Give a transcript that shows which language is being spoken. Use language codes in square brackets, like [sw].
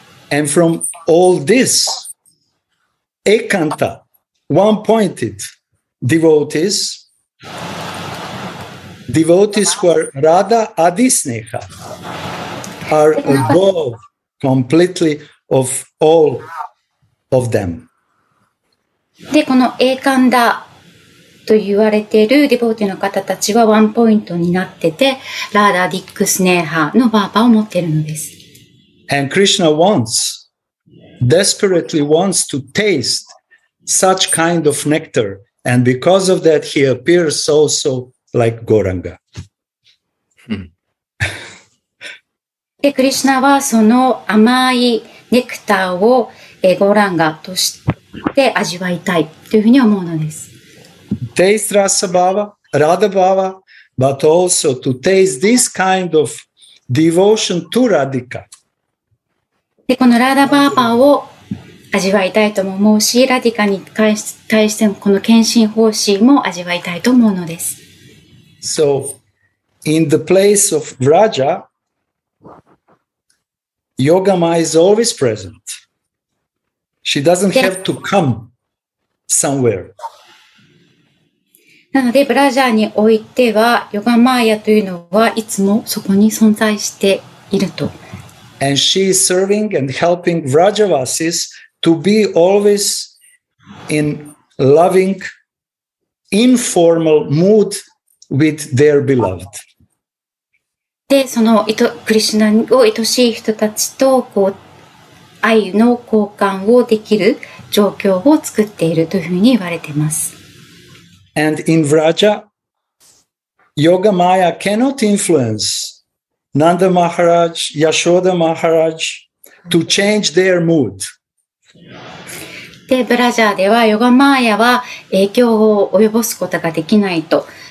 [en] And from all this, Ekanta, one-pointed devotees, devotees who are Radha Adisneha, are above completely of all of them. [ja] で、このエカンダと言われているディボーティの方たちはワンポイントになってて、ラーダ・ディックスネーハのバーバを持っているのです。 [en] And Krishna wants, desperately wants to taste such kind of nectar. And because of that, he appears also like Gauranga. [ja] で、クリシュナはその甘いネクターをゴーランガとして味わいたいというふうに思うのです。 [en] Taste Rasa Bhava, Radha Bhava, but also to taste this kind of devotion to Radhika. [ja] でこのラーダバーバーを味わいたいとも思うし、ラディカに対してのこの献身奉仕も味わいたいと思うのです。 [en] So, in the place of Vraja, Yogama is always present. She doesn't have to come somewhere. [ja] なので、Vrajaにおいては、ヨガマーヤというのはいつもそこに存在していると。 [en] And she is serving and helping Vrajavasis to be always in loving informal mood with their beloved. [ja] でそのクリシュナを愛しい人たちとこう愛の交換をできる状況を作っているというふうに言われています。 [en] And in Vraja, Yoga Maya cannot influence Nanda Maharaj, Yashoda Maharaj to change their mood. [ja] で、ブラジャーではヨガマーヤは影響を及ぼすことができないと。